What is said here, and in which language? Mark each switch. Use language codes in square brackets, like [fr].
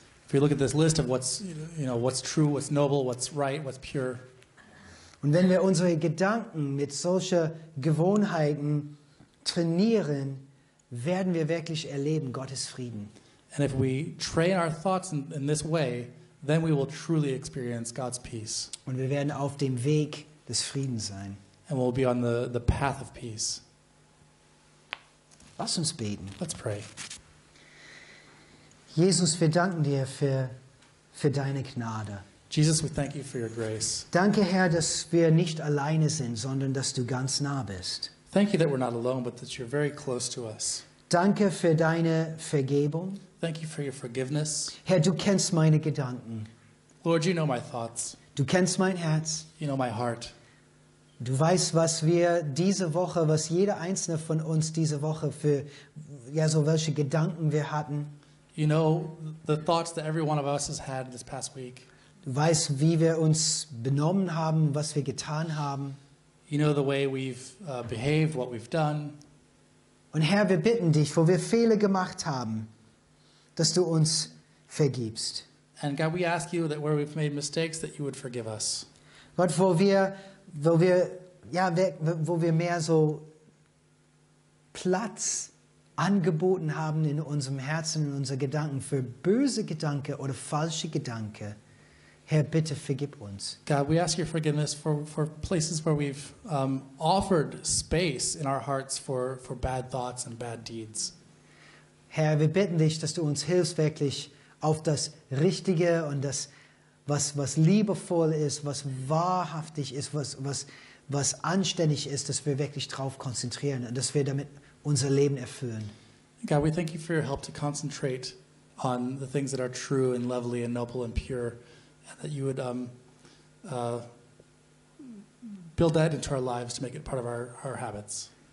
[en] If we look at this list of what's, you know, what's true, what's noble, what's right, what's pure. [de] Und wenn wir unsere Gedanken mit solchen Gewohnheiten trainieren, werden wir wirklich erleben Gottes Frieden. [en] And if we train our thoughts in this way, then we will truly experience God's peace. [de] Und wir werden auf dem Weg des Friedens sein. [en] And we'll be on the path of peace. [de] Lass uns beten. [en] Let's pray. [de] Jesus, wir danken dir für deine Gnade. [en] Jesus, we thank you for your grace. [de] Danke, Herr, dass wir nicht alleine sind, sondern dass du ganz nah bist. [en] Thank you that we're not alone, but that you're very close to us. [de] Danke für deine Vergebung. [en] Thank you for your forgiveness. [de] Herr, du kennst meine Gedanken. [en] Lord, you know my thoughts. [de] Du kennst mein Herz. [en] You know my heart. [de] Du weißt, was jeder einzelne von uns diese Woche welche Gedanken wir hatten. [en] You know the thoughts that every one of us has had this past week. [de] Du weißt, wie wir uns benommen haben, was wir getan haben. [en] You know the way we've behaved, what we've done. [de] Und Herr, wir bitten dich, wo wir Fehler gemacht haben, dass du uns vergibst. [en] And God, we ask you that where we've made mistakes, that you would forgive us. [de] Gott, wo wir mehr so Platz angeboten haben in unserem Herzen, in unseren Gedanken für böse Gedanken oder falsche Gedanken, Herr, bitte vergib uns. [en] God, we ask your forgiveness for places where we've offered space in our hearts for bad thoughts and bad deeds. [de] Herr, wir bitten dich, dass du uns hilfst, wirklich auf das Richtige und das, was liebevoll ist, was wahrhaftig ist, was anständig ist, dass wir wirklich drauf konzentrieren und dass wir damit unser Leben erfüllen. [en] God, we thank you for your help to concentrate on the things that are true and lovely and noble and pure, and that you would build that into our lives to make it part of our habits.